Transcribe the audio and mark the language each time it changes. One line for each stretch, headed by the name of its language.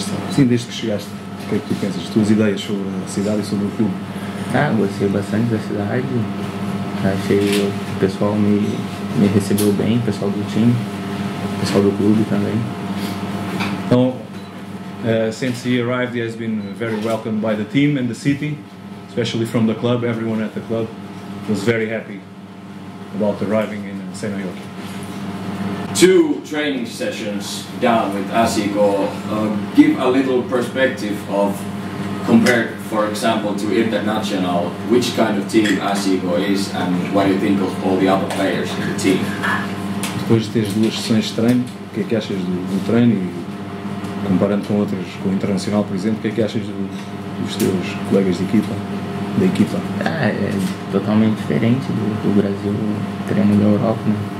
Portuguese: Sim, desde que chegaste, o que é que tu pensas? As tuas ideias sobre a cidade e sobre o clube? Ah, gostei bastante da cidade. Achei o pessoal me recebeu bem, o pessoal do time, o pessoal do clube também.
English: Então, since he arrived, he has been very welcomed by the team and the city, especially from the club. Everyone at the club was very happy about arriving in Seinäjoki. Two training sessions down with Asiko, give a little perspective of, compared, for example, to Internacional, which kind of team Asiko is and what you think of all the other players in the team.
Portuguese: Depois de teres duas sessões de treino, o que é que achas do treino e comparando com outras, com o Internacional, por exemplo, o que é que achas dos teus colegas de equipa, da equipa? É totalmente diferente do Brasil, treino da Europa, né?